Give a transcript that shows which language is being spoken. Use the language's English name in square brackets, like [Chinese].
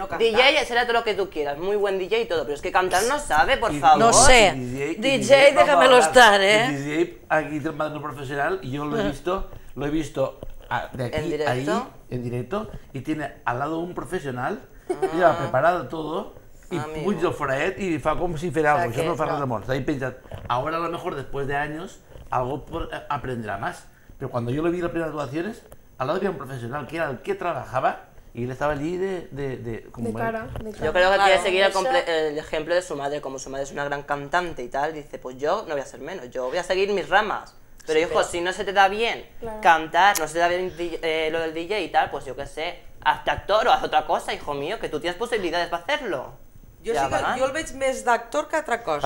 [Spanish] DJ será todo lo que tú quieras, muy buen DJ y todo, pero es que cantar no sabe, por favor. No sé. DJ déjamelo estar, ¿eh? DJ, aquí tengo un padrino profesional, y yo lo he visto de aquí, ahí, en directo, y tiene al lado un profesional, y ha preparado todo. [Catalan] I puja el foraet i fa com si fes alguna cosa, això no fa res de molt, està ben penjat. [Spanish] Ara, a lo mejor, después de años, algo aprendrá más. Pero cuando yo lo vi en las primeras actuaciones, al lado había un profesional que era el que trabajaba y él estaba allí de cara. Yo creo que quiere seguir el ejemplo de su madre, como su madre es una gran cantante y tal, dice, pues yo no voy a ser menos, yo voy a seguir mis ramas. Pero hijo, si no se te da bien cantar, no se te da bien lo del DJ y tal, pues yo qué sé, hazte actor o haz otra cosa, hijo mío, que tú tienes posibilidades para hacerlo. [Catalan] Jo el veig més d'actor que altra cosa.